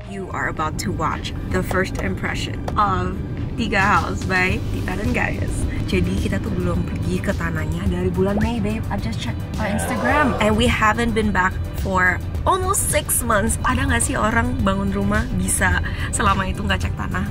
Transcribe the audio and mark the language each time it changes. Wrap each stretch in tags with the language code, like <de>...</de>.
<en>are about to watch the first impression of Tiga House by Tyra dan Gaius.</en> <id>Jadi kita tuh belum pergi ke tanahnya dari bulan Mei, babe.</id> <en>I just checked our Instagram. And we haven't been back for almost 6 months.</en> <id>Ada gak sih orang bangun rumah bisa selama itu gak cek tanah?</id>